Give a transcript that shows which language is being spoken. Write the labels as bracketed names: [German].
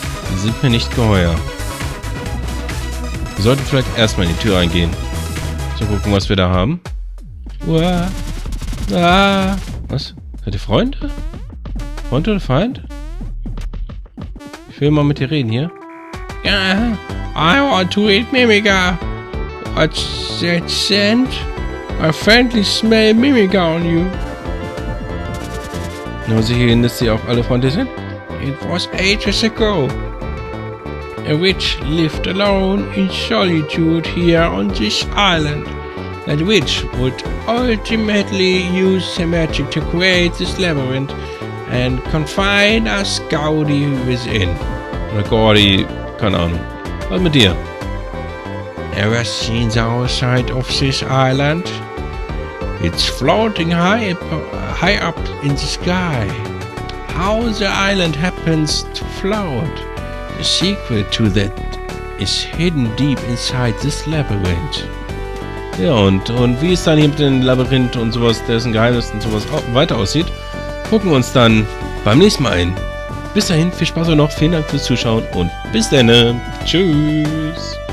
[German] Die sind mir nicht geheuer. Wir sollten vielleicht erstmal in die Tür eingehen. So gucken, was wir da haben. Uah. Ah. Was? Seid ihr Freunde? Freund oder Feind? Ich will mal mit dir reden hier. Ja. [English] Yeah. I want to eat Mimiga. What's that scent? I faintly smell Mimiga on you. [German] Nur sicherhin, dass sie auch alle Freunde sind? [English] It was ages ago. A witch lived alone in solitude here on this island. That witch would ultimately use her magic to create this labyrinth and confine us Gaudi within. [German] Gaudi, keine Ahnung. Was mit dir? [English] Ever seen the outside of this island? It's floating high up in the sky. How the island happens to float? The secret to that is hidden deep inside this labyrinth. [German] Ja, und wie es dann hier mit dem Labyrinth und sowas, dessen Geheimnis und sowas weiter aussieht, gucken wir uns dann beim nächsten Mal ein. Bis dahin, viel Spaß euch noch, vielen Dank fürs Zuschauen und bis dann. Tschüss.